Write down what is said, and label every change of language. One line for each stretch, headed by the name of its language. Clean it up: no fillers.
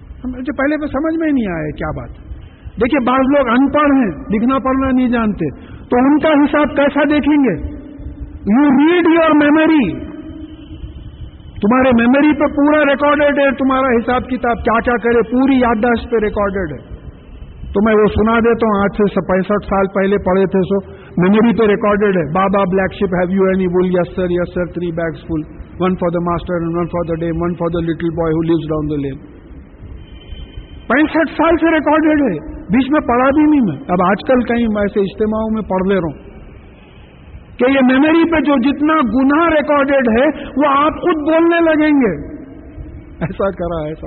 Urdu: مجھے پہلے پہ سمجھ میں نہیں آیا کیا بات. دیکھیے بعض لوگ ان پڑھ ہیں, لکھنا پڑھنا نہیں جانتے, تو ان کا حساب کیسا دیکھیں گے؟
English: you read your memory,
Urdu: تمہارے میموری پہ پورا ریکارڈیڈ ہے تمہارا حساب کتاب, کیا کیا کرے پوری یادداشت پہ ریکارڈیڈ ہے. تو میں وہ سنا دیتا ہوں, آج سے 65 سال پہلے پڑھے تھے, سو میموری پہ ریکارڈیڈ ہے.
English: Baa baa black sheep have you any wool? Yes sir 3 bags full, 1 for the master and 1 for the dame, 1 for the little boy who lives down the lane.
Urdu: 65 سال سے ریکارڈیڈ ہے, بیچ میں پڑھا بھی نہیں میں. اب آج کل کہیں ایسے اجتماعوں میں پڑھ لے رہا ہوں کہ یہ میموری پہ جو جتنا گناہ ریکارڈیڈ ہے وہ آپ خود بولنے لگیں گے, ایسا کرا.